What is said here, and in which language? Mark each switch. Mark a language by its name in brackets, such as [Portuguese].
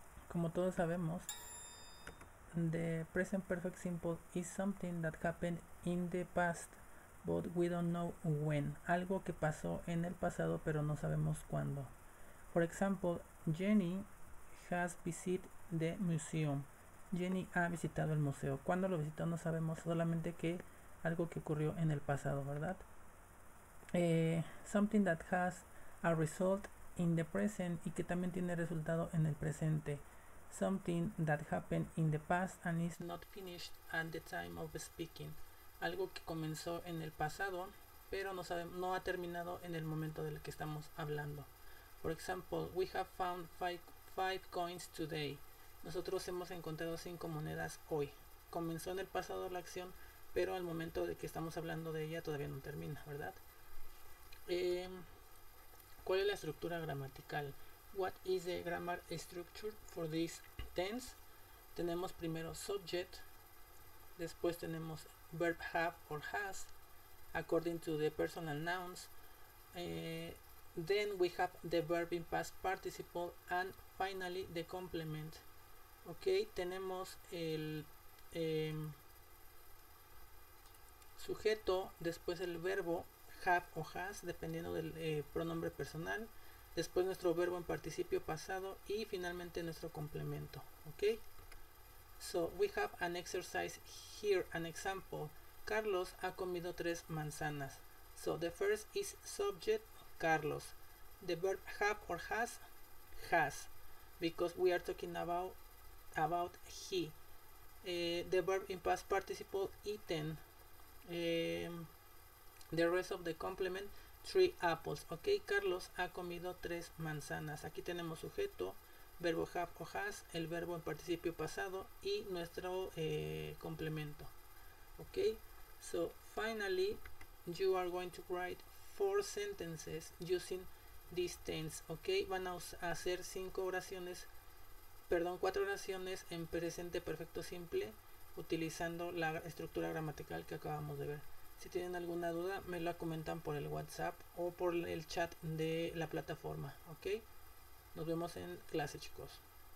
[Spanish] Como todos sabemos, [English] the present perfect simple is something that happened in the past, but we don't know when. [Spanish] Algo que pasó en el pasado, pero no sabemos cuándo. [English] For example, Jenny has visited the museum. [Spanish] Jenny ha visitado el museo. ¿Cuándo lo visitó? No sabemos, solamente que algo que ocurrió en el pasado, ¿verdad? [English] Something that has a result in the present [Spanish] y que también tiene resultado en el presente. [English] Something that happened in the past and is not finished at the time of speaking. [Spanish] Algo que comenzó en el pasado, pero no sabemos, no ha terminado en el momento del que estamos hablando. [English] For example, we have found five coins today. [Spanish] Nosotros hemos encontrado 5 monedas hoy. Comenzó en el pasado la acción, pero al momento de que estamos hablando de ella todavía no termina, ¿verdad? ¿Cuál es la estructura gramatical? [English] What is the grammar structure for this tense? [Spanish] Tenemos primero [English] subject, [Spanish] después tenemos [English] verb have or has, according to the personal nouns. Then we have the verb in past participle, and finally the complement. [Spanish] Ok, tenemos el sujeto, después el verbo have o has, dependiendo del pronombre personal, después nuestro verbo en participio pasado y finalmente nuestro complemento. [English] Ok, so we have an exercise here, an example. [Spanish] Carlos ha comido 3 manzanas. [English] So the first is subject, Carlos. The verb have or has, because we are talking about he. The verb in past participle, eaten. The rest of the complement, 3 apples. Ok, [Spanish] Carlos ha comido 3 manzanas. Aquí tenemos sujeto, verbo have o has, el verbo en participio pasado y nuestro complemento. [English] Ok, so finally, you are going to write 4 sentences using this tense. [Spanish] Ok, van a hacer 4 oraciones en presente perfecto simple utilizando la estructura gramatical que acabamos de ver. Si tienen alguna duda, me la comentan por el WhatsApp o por el chat de la plataforma. ¿Ok? Nos vemos en clase, chicos.